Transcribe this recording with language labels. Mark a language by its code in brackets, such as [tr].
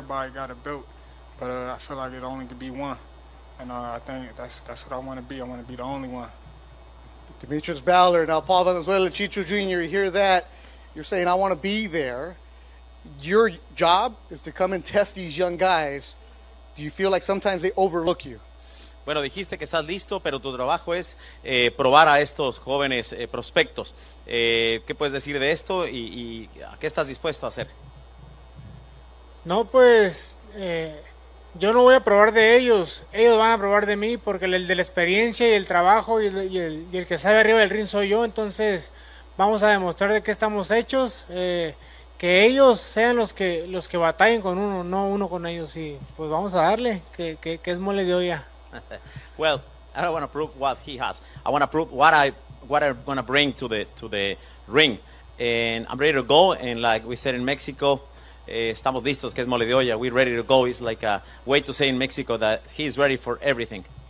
[en] Everybody got a belt, but I feel like it only could be one. And I think that's what I want to be. I want to be the only one. Demetrius Ballard, now Paul Valenzuela Chicho Jr., you hear that. You're saying, I want to be there. Your job is to come and test these young guys. Do you feel like sometimes they overlook you? [es] Bueno, dijiste que estás listo, pero tu trabajo es probar a estos jóvenes prospectos. ¿Qué puedes decir de esto y a qué estás dispuesto a hacer? No, pues yo no voy a probar de ellos. Ellos van a probar de mí porque el de la experiencia y el trabajo y el que sabe arriba del ring soy yo. Entonces vamos a demostrar de qué estamos hechos. Que ellos sean los que batallen con uno, no uno con ellos. Y pues vamos a darle, que es mole de olla. [en] Well, I don't want to prove what he has. I want to prove what I'm going to bring to the ring. And I'm ready to go. And like we said in Mexico, [es] estamos listos, que es mole de olla. [en] We're ready to go. It's like a way to say in Mexico that he's ready for everything.